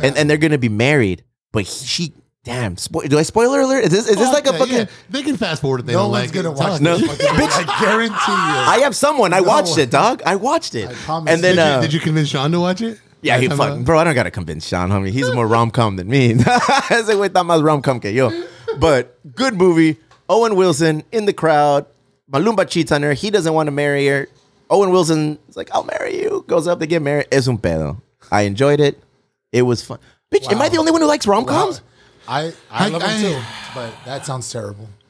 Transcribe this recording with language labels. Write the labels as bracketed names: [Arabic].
[English] And they're going to be married, but she. Damn, do I spoiler alert? Is this like a fucking... Yeah. They can fast forward if they don't like it. No one's going to watch it. I guarantee you. I have someone. I watched it, dog. I promise. And then, did you convince Sean to watch it? Yeah, he fucking... Bro, I don't got to convince Sean, homie. He's more rom-com than me. I say, wait, that [Spanish] más rom-com que yo. [English] But good movie. Owen Wilson in the crowd. Malumba cheats on her. He doesn't want to marry her. Owen Wilson is like, I'll marry you. Goes up, they get married. [Spanish] Es un pedo. [English] I enjoyed it. It was fun. Bitch, am I the only one who likes rom-coms? Wow. I love it too, but that sounds terrible.